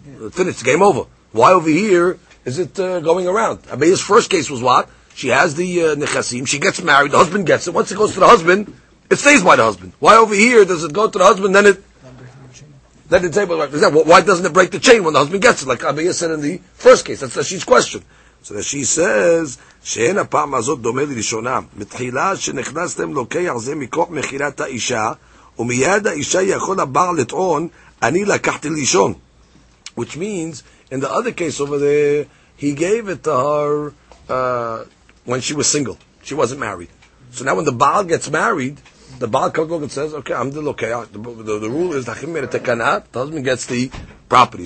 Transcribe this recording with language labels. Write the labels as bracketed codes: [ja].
[en] Yeah. Finished, game over. Why over here is it going around? I mean, his first case was what? She has the nechasim, she gets married, the husband gets it. Once it goes to the husband, it stays by the husband. Why over here does it go to the husband, then it... Then the table, right? Example, why doesn't it break the chain when the husband gets it? Like Abaye said in the first case, that's Rashi's question. [he] So that she says, שאין הפעם הזאת דומה לראשונה, מתחילה שנכנסתם לוקח זה מכוח מחירת האישה, ומיד האישה יכול הבעל לטעון, אני לקחתי לישון. [en] Which means, in the other case over there, he gave it to her when she was single. She wasn't married. So now when the baal gets married, the baal comes along and says, okay, I'm the lokeach. The rule is, the husband gets the property.